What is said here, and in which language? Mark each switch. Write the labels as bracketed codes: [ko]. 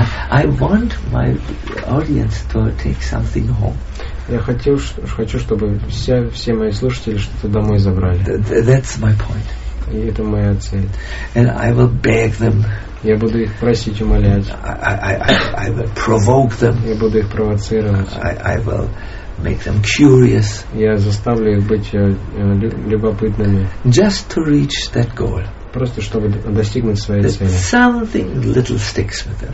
[en] I want my audience to take something home. [ru] Я хочу, чтобы все мои слушатели что-то домой забрали. [en] That's my point. [ru] И это моя цель. [en] And I will beg them. [ru] Я буду их просить, умолять. [en] I will provoke them. [ru] Я буду их провоцировать. [en] I will make them curious. [ru] Я заставлю их быть любопытными. [en] Just to reach that goal. [ru] просто чтобы достигнуть своей [en] that [ru] цели. [en] Something little sticks with them.